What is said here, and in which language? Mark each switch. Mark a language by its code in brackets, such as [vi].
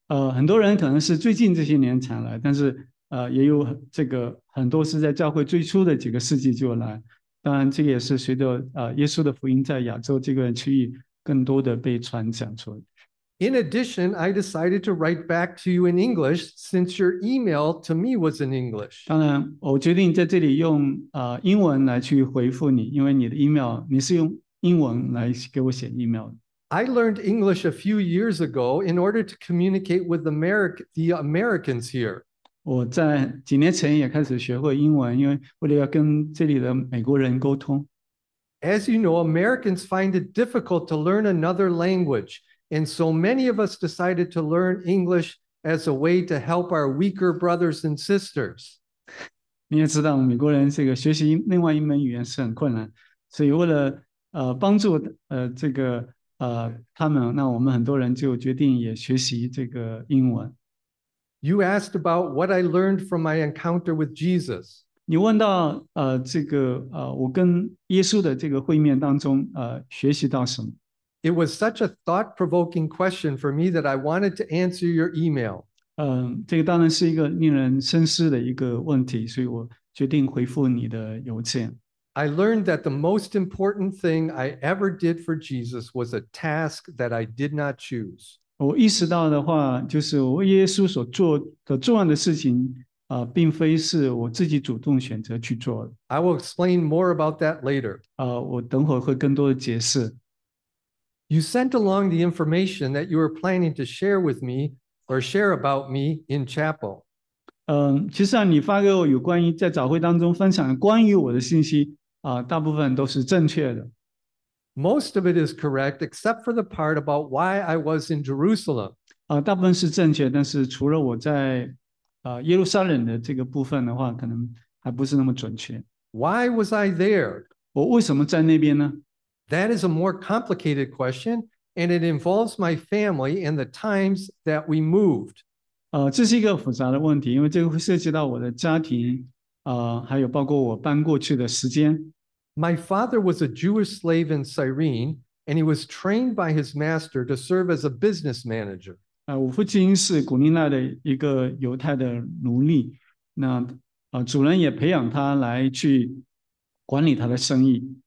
[zh] 很多人可能是最近这些年才来，但是也有这个很多是在教会最初的几个世纪就来，当然这个也是随着耶稣的福音在亚洲这个区域更多的被传讲出来。 [en] In addition, I decided to write back to you in English since your email to me was in English. [zh] 当然，我决定在这里用英文来去回复你，因为你的 email 你是用英文来给我写 email 的。 [en] I learned English a few years ago in order to communicate with the Americans here. [zh] 我在几年前也开始学会英文，因为为了要跟这里的美国人沟通。 [en] As you know, Americans find it difficult to learn another language. And so many of us decided to learn English as a way to help our weaker brothers and sisters. [zh] 你也知道美国人这个学习另外一门语言是很困难，所以为了帮助这个他们，那我们很多人就决定也学习这个英文。 [en] You asked about what I learned from my encounter with Jesus. [zh] 你问到这个我跟耶稣的这个会面当中学习到什么。 [en] It was such a thought-provoking question for me that I wanted to answer your email. [zh] 这个当然是一个令人深思的一个问题，所以我决定回复你的邮件。 [en] I learned that the most important thing I ever did for Jesus was a task that I did not choose. [zh] 我意识到的话，就是我为耶稣所做的重要的事情，并非是我自己主动选择去做的。 [en] I will explain more about that later. [zh] 我等会会更多的解释。 [en] You sent along the information that you were planning to share with me or share about me in chapel. [zh] 其实你发给我有关于在早会当中分享关于我的信息，大部分都是正确的。 [en] Most of it is correct, except for the part about why I was in Jerusalem. [zh] 大部分是正确，但是除了我在耶路撒冷的这个部分的话，可能还不是那么准确。 [en] Why was I there? [zh] 我为什么在那边呢？ [en] That is a more complicated question, and it involves my family and the times that we moved. [zh] 这是一个复杂的问题，因为这个会涉及到我的家庭，还有包括我搬过去的时间。 [en] My father was a Jewish slave in Cyrene, and he was trained by his master to serve as a business manager. [zh] 我父亲是古尼奈的一个犹太的奴隶，那主人也培养他来去管理他的生意。